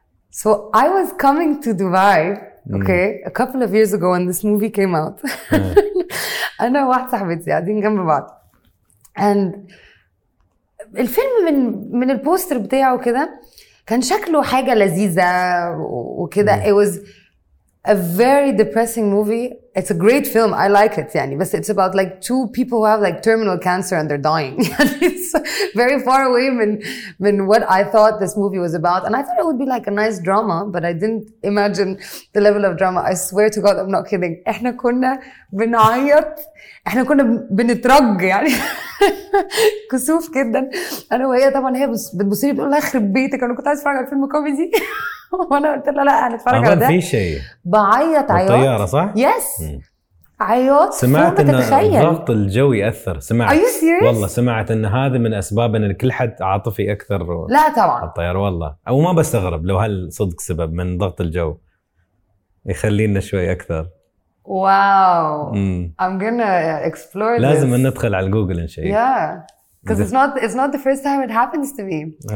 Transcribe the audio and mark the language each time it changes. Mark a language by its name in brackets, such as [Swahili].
[English] So I was coming to Dubai, okay, a couple of years ago when this movie came out. [Arabic] أنا واحد صاحبتي قاعدين جنب بعض. And الفيلم من البوستر بتاعه كده كان شكله حاجة لذيذة وكده. [English] It was a very depressing movie. It's a great film. I like it. [Arabic] يعني بس [English] it's about like two people who have like terminal cancer and they're dying. It's very far away من what I thought this movie was about. And I thought it would be like a nice drama, but I didn't imagine the level of drama. I swear to God, I'm not kidding. [Arabic] إحنا كنا بنعيط. إحنا كنا بنترج يعني. كسوف جدا. أنا وهي طبعا هي بتبص لي بتقول لها خرب بيتك، أنا كنت عايز أتفرج على فيلم كوميدي. وأنا قلت لها لا هنتفرج على ده. في شيء. بعيط عيط. الطيارة صح؟ يس. عيط. سمعت إن الضغط الجوي أثر. سمعت. [English] Are you serious؟ [Arabic] والله سمعت إن هذا من أسباب إن كل حد عاطفي أكثر. لا طبعا. الطيارة والله. أو ما بستغرب لو هل صدق سبب من ضغط الجو يخلينا شوي أكثر. [English] Wow. I'm gonna explore this. [Arabic] لازم ندخل على جوجل إن شاء الله. [English] Yeah. Because it's not the first time it happens to me.